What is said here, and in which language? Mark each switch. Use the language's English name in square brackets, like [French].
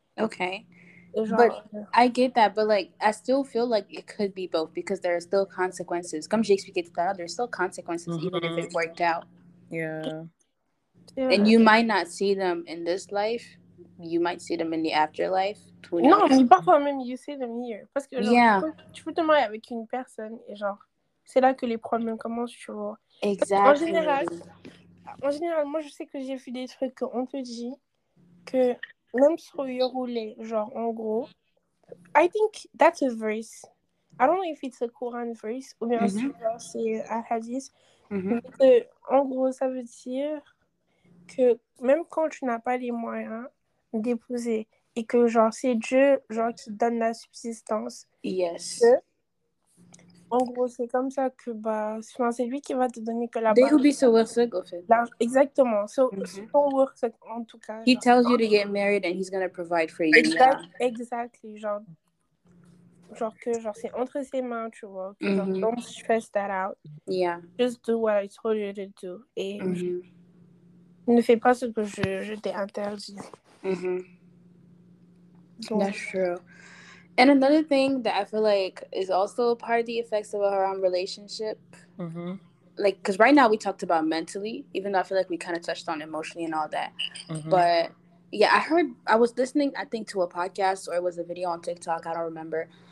[English] Okay. But I get that, but like I still feel like it could be both because there are still consequences. [French] Comme j'ai expliqué tout à l'heure, [English] there's still consequences even if it worked out. Yeah. And you might not see them in this life. You might see them in the afterlife. [French] Non, mais parfois même [English] you see them here. [French] Parce que genre, tu peux te marier avec une personne et genre c'est là que les problèmes commencent, tu vois. [English] Exactly. [French] En général, moi je sais que j'ai vu des trucs qu'on te dit. Que même sur le roulé, genre en gros, [English] I think that's a verse. I don't know if it's a Quran verse [French] ou bien c'est un hadith. En gros, ça veut dire que même quand tu n'as pas les moyens d'épouser et que genre c'est Dieu genre qui donne la subsistance. [English] Yes. [French] En gros, c'est comme ça que bah, c'est lui qui va te donner que la [English] base. They will be so worth it, [French] en fait. [English] Exactement. So, so worth it, [French] en tout cas. [English] He tells you to get married and he's going to provide for you. Exactly. [French] Genre, c'est entre ses mains, tu vois. [English] Don't stress that out. Yeah. Just do what I told you to do. [French] Et ne fais pas ce que je t'ai interdit. [English] That's true. And another thing that I feel like is also part of the effects of a haram relationship, like, because right now we talked about mentally, even though I feel like we kind of touched on emotionally and all that. But yeah, I was listening, I think, to a podcast or it was a video on TikTok. I don't remember.